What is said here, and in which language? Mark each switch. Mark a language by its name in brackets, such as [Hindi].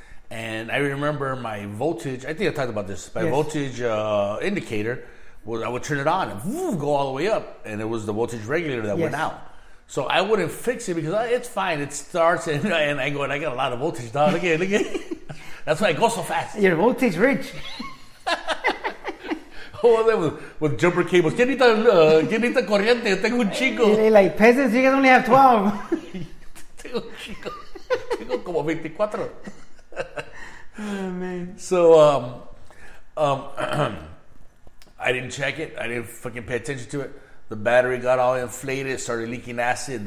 [English] And I remember my voltage, I think I talked about this, voltage indicator, was I would turn it on and woof, go all the way up. And it was the voltage regulator that went out. So I wouldn't fix it because it's fine. It starts and I go, and I got a lot of voltage, dog. Look at it. That's why I go so fast. You're voltage rich. Oh, that with jumper cables. [Spanish] ¿Quién necesita corriente? Tengo un chico. [English] Like peasants, you guys only have 12. [Spanish] Tengo un chico. Tengo como 24. [English] Oh, man. So, I didn't check it. I didn't fucking pay attention to it. The battery got all inflated, started leaking acid.